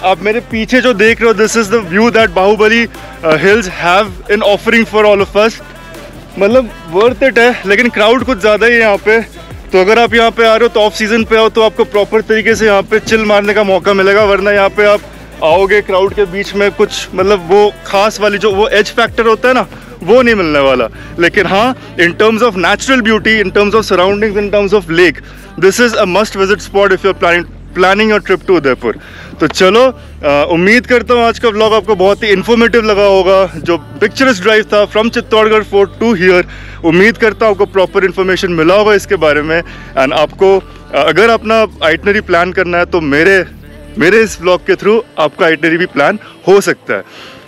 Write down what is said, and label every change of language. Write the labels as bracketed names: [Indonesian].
[Hindi] आप मेरे पीछे जो देख रहे हो, [English] this is the view that Bahubali Hills have in offering for all of us. [Hindi] मतलब [English] worth it [Hindi] है, लेकिन crowd कुछ ज़्यादा ही है यहाँ पे। तो अगर आप यहाँ पे आ रहे हो तो off season पे आओ, तो आपको proper तरीके से यहाँ पे chill मारने का मौका मिलेगा, वरना यहाँ पे आप आओगे crowd के बीच में कुछ मतलब वो खास वाली जो वो edge factor होता है ना, वो नहीं मिलने वाला। लेकिन हाँ, [English] in terms of natural beauty, in terms of surroundings, in terms of lake, this is a must visit spot if you're planning your trip to Udaipur. [Hindi] तो चलो, उम्मीद करता हूँ आज का व्लॉग आपको बहुत ही इन्फॉर्मेटिव लगा होगा। जो पिक्चरस ड्राइव था [English] from Chittorgarh fort to here, [Hindi] उम्मीद करता हूँ आपको प्रॉपर इन्फॉर्मेशन मिला होगा इसके बारे में। एंड आपको अगर अपना आइटनरी प्लान करना है तो मेरे इस व्लॉग के थ्रू आपका आइटनरी भी प्लान हो सकता है।